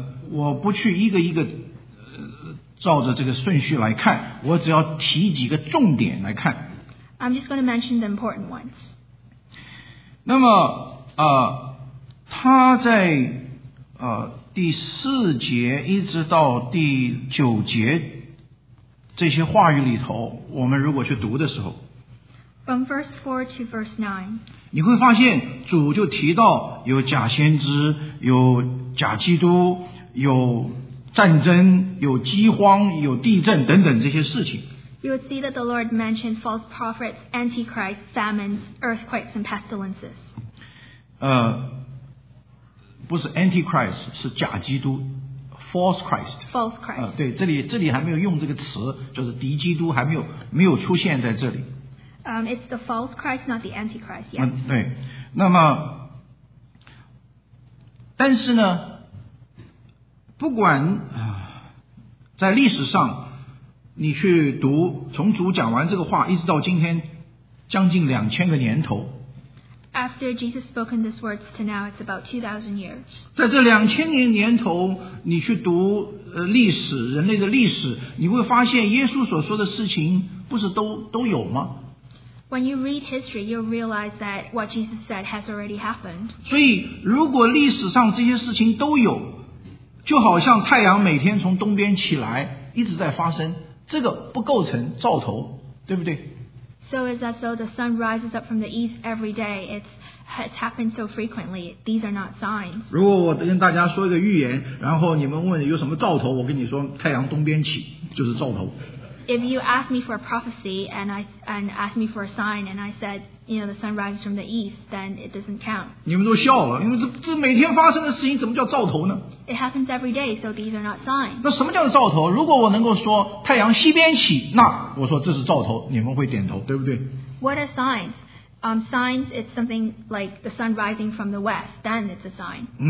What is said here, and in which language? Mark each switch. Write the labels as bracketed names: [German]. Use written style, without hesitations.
[Chinese] 我不去一个照着这个顺序来看，我只要提几个重点来看。 [English] I'm just going to mention the important ones. [Chinese] 那么他在第四节一直到第九节这些话语里头，我们如果去读的时候。 [English] From verse 4 to verse [Chinese] 9. 你会发现主就提到有假先知，有假基督，有战争，有饥荒，有地震等等这些事情。 [English] You would see that the Lord mentioned false prophets, antichrist, famines, earthquakes, and pestilences. [Chinese] 不是 antichrist, 是假基督。 [English] False Christ. False Christ. [Chinese] 对，这里还没有用这个词，就是敌基督还没有出现在这里。 [English] It's the false Christ, not the antichrist. Yes. [Chinese] 对，那么，但是呢，不管在历史上，你去读从主讲完这个话，一直到今天，将近2000个年头。 [English] After Jesus spoken these words to now, it's about 2,000 years. [Chinese] 在这2000年年头，你去读历史，人类的历史，你会发现耶稣所说的事情不是都有吗？ [English] When you read history, you'll realize that what Jesus said has already happened. [Chinese] 所以如果历史上这些事情都有，就好像太阳每天从东边起来一直在发生，这个不构成兆头，对不对？ [English] So it's as though the sun rises up from the east every day. It's happened so frequently. These are not signs. [Chinese] 如果我跟大家说一个预言，然后你们问有什么兆头，我跟你说太阳东边起就是兆头。 [English] If you ask me for a prophecy and ask me for a sign and I said, you know, the sun rises from the east, then it doesn't count. [Chinese] 你们都笑了，因为这每天发生的事情怎么叫兆头呢？ [English] It happens every day, so these are not signs. [Chinese] 那什么叫做兆头？如果我能够说太阳西边起，那我说这是兆头，你们会点头，对不对？ [English] What are signs? Signs, it's something like the sun rising from the west, then it's a sign.